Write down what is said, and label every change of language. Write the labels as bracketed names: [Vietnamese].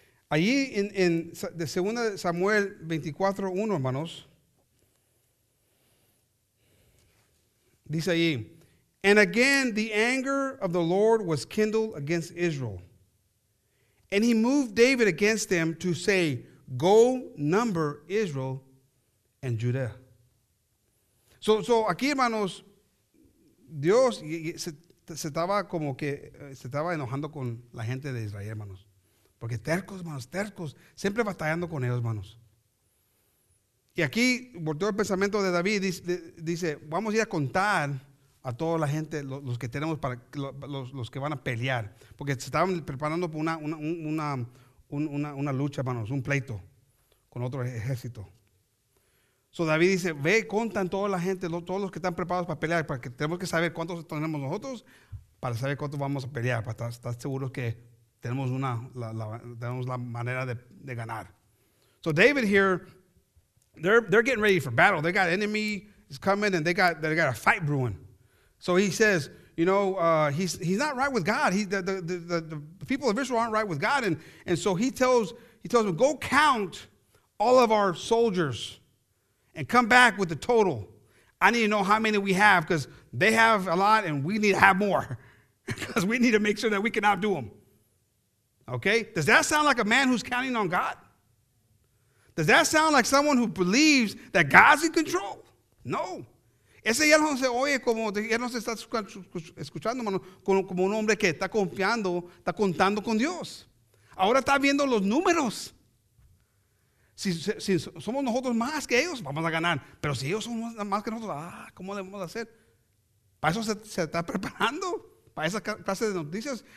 [Spanish] Allí en de 2 Samuel 24:1, hermanos, dice allí, [English] and again the anger of the Lord was kindled against Israel. And he moved David against them to say, go number Israel and Judah. [Spanish] So aquí, hermanos, Dios se estaba como que se estaba enojando con la gente de Israel, hermanos. Porque tercos, hermanos, tercos, siempre batallando con ellos, hermanos. Y aquí volteó el pensamiento de David, dice, vamos a ir a contar a toda la gente, los que tenemos para los que van a pelear. Porque se estaban preparando para una lucha, hermanos, un pleito con otro ejército. So David dice, ve, contan toda la gente, todos los que están preparados para pelear, porque tenemos que saber cuántos tenemos nosotros para saber cuántos vamos a pelear, para estar seguros que tenemos tenemos la manera de ganar. [English] So David here, they're getting ready for battle. They got enemy is coming and they got a fight brewing. So he says, you know, he's not right with God. The people of Israel aren't right with God. And so he tells them, go count all of our soldiers and come back with the total. I need to know how many we have because they have a lot and we need to have more because we need to make sure that we can outdo them. Okay? Does that sound like a man who's counting on God? Does that sound like someone who believes that God's in control? No. [Spanish] Ese ya no se oye como, ya no se está escuchando, hermano, como un hombre que está confiando, está contando con Dios. Ahora está viendo los números. Si somos nosotros más que ellos, vamos a ganar. Pero si ellos son más que nosotros, ¿cómo le vamos a hacer? Para eso se está preparando, para esa clase de noticias.